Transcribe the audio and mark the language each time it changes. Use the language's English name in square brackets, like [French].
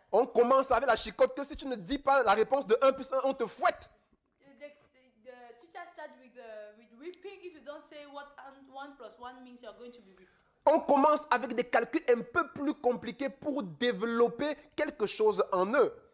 [French] On commence avec la chicotte que si tu ne dis pas la réponse de 1 plus 1, on te fouette. [English] The teacher starts with whipping. If you don't say what 1 plus 1 means, you're going to be whipped. [French] on commence avec des calculs un peu plus compliqués pour développer quelque chose en eux.